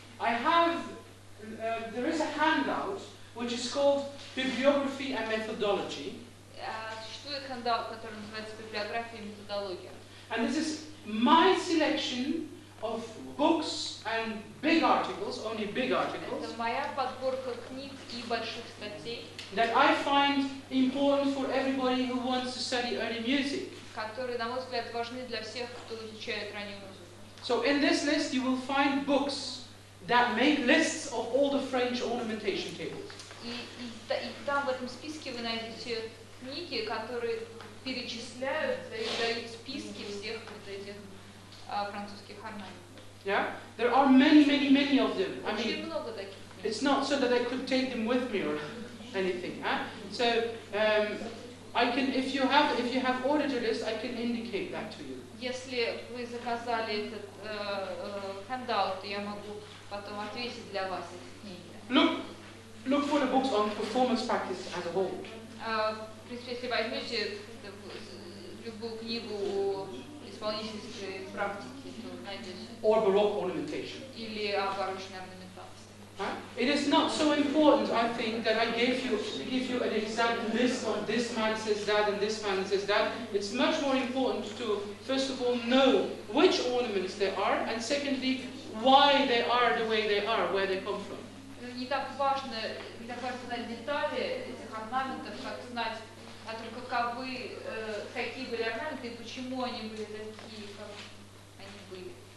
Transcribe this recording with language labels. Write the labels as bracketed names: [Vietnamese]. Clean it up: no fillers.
[English] I have, there is a handout which is called Bibliography and Methodology. [Russian] Существует handout, который называется Библиография и методология. [English] And this is my selection of books and big articles, only big articles. [Russian] Это моя подборка книг и больших статей. [English] That I find important for everybody who wants to study early music. [Russian] Которые, на мой взгляд, важны для всех, кто изучает раннюю музыку. [English] So in this list you will find books that make lists of all the French ornamentation tables. [Russian] И там в этом списке вы найдете книги, которые перечисляют и дают списки всех вот этих французских орнаментов. [English] Yeah, there are many, many, many of them. I [Russian] очень [English] mean, [Russian] много таких. [English] It's not so that I could take them with me or anything. Huh? So I can, if you have ordered a list, I can indicate that to you. [Russian] Если вы заказали этот handout, я могу потом ответить для вас эти книги. [English] Look for the books on performance practice as a whole. [Russian] В принципе, если возьмете любую книгу о исполнительской практике, то найдете. [English] Or baroque ornamentation. [Russian] Или о барочной орнаментации. [English] It is not so important, I think, that I gave you give you an exact list of this man says that and this man says that. It's much more important to first of all know which ornaments they are, and secondly, why they are the way they are, where they come from. [Russian] Не так важно, не так важно знать детали этих орнаментов, как знать, а только каковы, какие были орнаменты и почему они были такие, как они были.